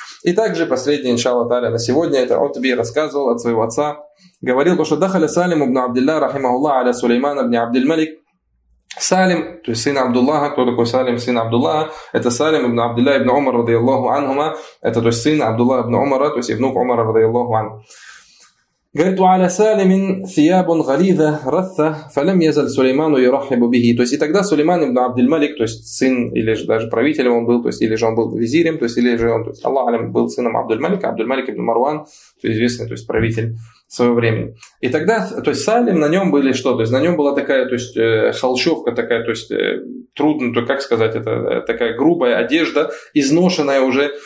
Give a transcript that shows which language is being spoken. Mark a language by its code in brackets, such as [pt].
[ru] И также последний, иншаллах таля, на сегодня, это Утби рассказывал от своего отца. Говорил, что дахаля Салим ибн Абдилла, рахимахуллах, аля Сулеймана ибн Абдильмалик. Салим, то есть сын Абдуллаха, кто такой Салим, сын Абдуллаха, это Салим ибн Абдилла ибн Умар, радиаллаху анхума, это то есть сын Абдуллаха ибн Умара, то есть и внук Умара, радиаллаху анху. Говорит, [ar] وعلى سالم ثياب غليظة رثة فلم يزل سليمان يرحب به. [ru] То есть и тогда Сулейман ибн Абдельмалик, то есть сын или же даже правителем он был, то есть или же он был визирем, то есть или же он, то есть Аллах алям, был сыном Абдельмалика, Абдельмалик ибн Марван, то есть известный, то есть правитель своего времени. И тогда, то есть Салим, на нем были что, то есть на нем была такая, то есть холщовка такая, то есть трудно, то как сказать, это такая грубая одежда, изношенная уже.